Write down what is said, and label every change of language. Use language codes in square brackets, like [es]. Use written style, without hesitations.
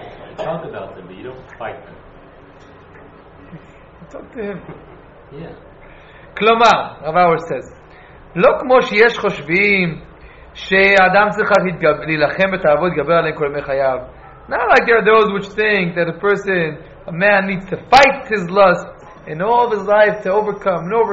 [en] You talk about them, but you don't fight them. You talk to him. Yeah. [he] Klomar, [en] Rav Arush says, [he] לא כמו שיש חושבים שאדם צריך להילחם בתאוות גבר עליהם כל ימי חייו. [en] Not like there are those which think that a man needs to fight his lust in all of his life to overcome.